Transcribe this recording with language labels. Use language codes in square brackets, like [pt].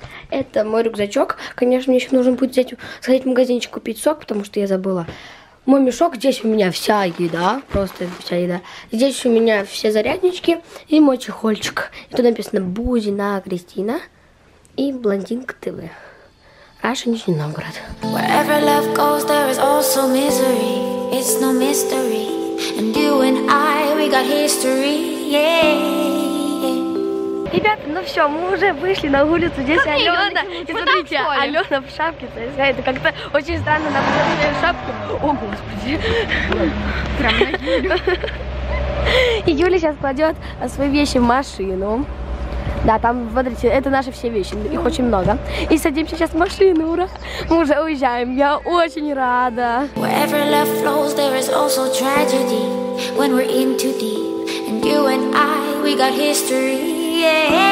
[ru] Это мой рюкзачок. Конечно, мне еще нужно будет сходить в магазинчик купить сок, потому что я забыла. Мой мешок, здесь у меня вся еда, просто вся еда. Здесь у меня все заряднички и мой чехольчик. И тут написано Бузина Кристина и Блондинка ТВ. Раша, Нижний Новгород. [en] Wherever love goes, there is also misery. It's no mystery. And you and I, we got history. Yeah. [ru] Ребята, ну все, мы уже вышли на улицу. Здесь как Алена. И смотрите, Алена в шапке. Это как-то очень странно, нам взяли в шапку. О, господи. И Юля сейчас кладет свои вещи в машину. Да, там, смотрите, это наши все вещи, их очень много. И садимся сейчас в машину, ура! Мы уже уезжаем, я очень рада. [en] Wherever love flows, there is also tragedy. When we're in too deep, and you and I, we got history. Yeah.